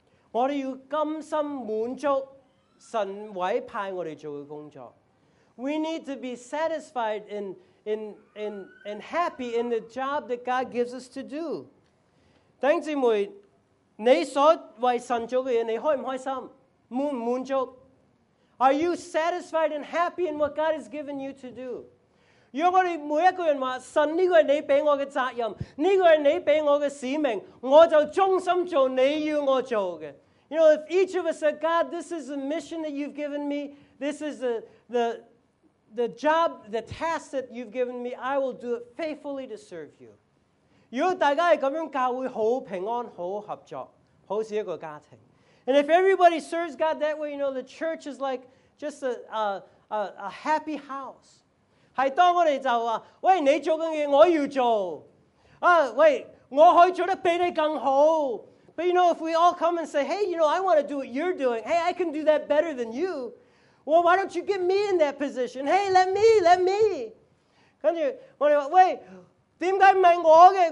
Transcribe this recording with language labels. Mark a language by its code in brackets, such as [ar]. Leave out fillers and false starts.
[yue] 我哋要甘心滿足神委派我哋做嘅工作。 [en] We need to be satisfied and happy in the job that God gives us to do. [yue] 弟兄姊妹，你所為神做嘅嘢，你開唔開心？滿唔滿足 [en] ？Are you satisfied and happy in what God has given you to do？ [yue] 如果我哋每一個人話神呢個係你俾我嘅責任，呢個係你俾我嘅使命，我就忠心做你要我做嘅。 [en] You know, if each of us said, God, this is the mission that you've given me, this is the job, the task that you've given me, I will do it faithfully to serve you. [yue] 如果大家係咁樣，教會好平安，好合作，好似一個家庭。 [en] And if everybody serves God that way, you know, the church is like just a happy house. [yue] 係當我哋就話，喂，你做緊嘢，我要做。啊，喂，我可以做得比你更好。 [en] But you know, if we all come and say, hey, you know, I want to do what you're doing. Hey, I can do that better than you. Well, why don't you get me in that position? Hey, let me. [yue] 跟住我哋話，喂，點解唔係我嘅？